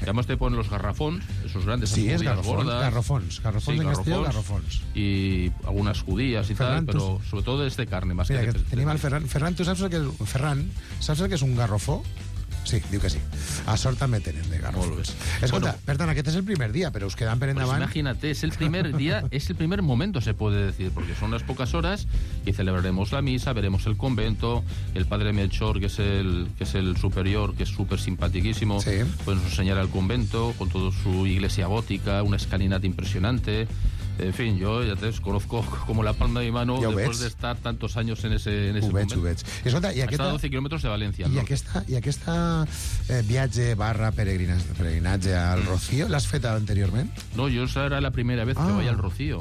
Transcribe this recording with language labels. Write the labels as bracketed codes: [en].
[es] Además te ponen los garrafons, esos grandes. Sí, es garrafons. Sí, garrafons. Y algunas judías y Ferran, tal, pero sobre todo es de carne. Más mira, que de [ca] tenim el Ferran. [es] Ferran, ¿tú sabes el que es? Ferran, ¿sabes el que es un garrofó? [ca] Sí, diu que sí. A sort també tenen de garrofons. Molt bé. Escolta, bueno, perdona, aquest és el primer dia, però us quedan per endavant. [es] Pues imagínate, [ca] és el primer dia, és el primer moment, [es] se puede decir, porque son las pocas horas y celebraremos la misa, veremos el convento, el padre Melchor, que es el superior, que es súper simpaticísimo, sí, pues nos enseñará el convento con toda su iglesia gótica, una escalinata impresionante. En fin, [ca] jo ja [es] te conozco como la palma de mi mano [ca] ja [es] después de estar tantos años en ese moment. [ca] Ho veig. I escolta, i aquesta... Està a 12 quilòmetres de València. I aquesta viatge barra peregrinatge al Rocío, l'has fet anteriorment? [es] No, [ca] jo [es] era la primera vez que vaig al Rocío.